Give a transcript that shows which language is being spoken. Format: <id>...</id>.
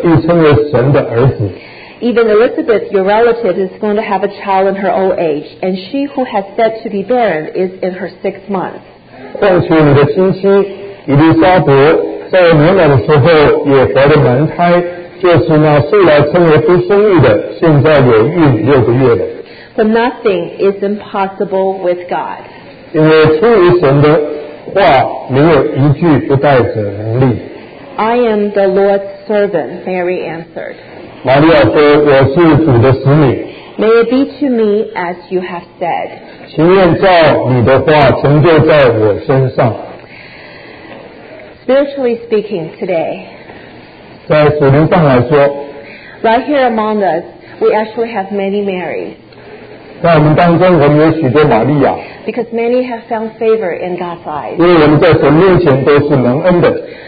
<zh>天使回答说，圣灵要降临到你身上，至高者的能力要应许你，因为因此所要生的圣者必称为神的儿子。</zh> <en>Even Elizabeth, your relative, is going to have a child in her old age, and she who has said to be barren is in her sixth month.</en> <zh>况且你的亲戚伊丽莎白在年老的时候也怀了男胎，就是那素来称为不生育的，现在有孕六个月的。</zh> <en>For nothing is impossible with God.</en> <zh>因为出于神的话，没有一句不带着能力。</zh> <en>I am the Lord's servant, Mary answered.</en> <zh>玛利亚说，我是主的使女。</zh> <en>May it be to me as you have said.</en> <zh>请愿照你的话成就在我身上。</zh> <en>Spiritually speaking today,</en> <zh>在属灵上来说,</zh> <en>right here among us, we actually have many Marys.</en> <zh>在我们当中，我们有许多玛利亚。</zh> <en>Because many have found favor in God's eyes.</en> <zh>因为我们在神面前都是蒙恩的。</zh>